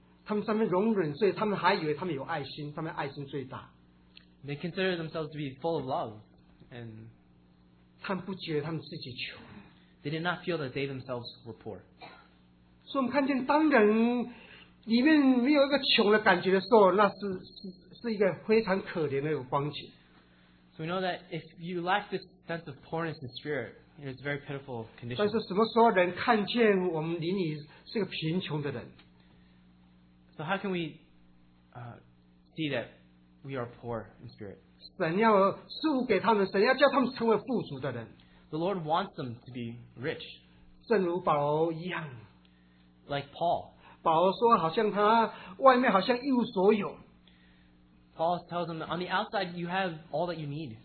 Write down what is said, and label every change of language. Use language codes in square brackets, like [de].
[zh] 他们上面容忍罪, 他们还以为他们有爱心, 他们爱心最大。 [en] They consider themselves to be full of love, and [zh] 他们不觉得他们自己穷。 [en] They did not feel that they themselves were poor. So we can see, when there is no poor feeling, that is a very pitiful. So we know that if you lack this sense of poorness in spirit, it is a very pitiful condition. But when people see that we are in need of a poor person, so how can we see that we are poor in spirit? [zh] 神要赐福给他们, 神要叫他们成为富足的人。 [en] The Lord wants them to be rich. [zh] 正如保罗一样, [en] like Paul. [zh] 保罗说好像他外面好像一无所有, [en] Paul tells them that on the outside you have all that you need.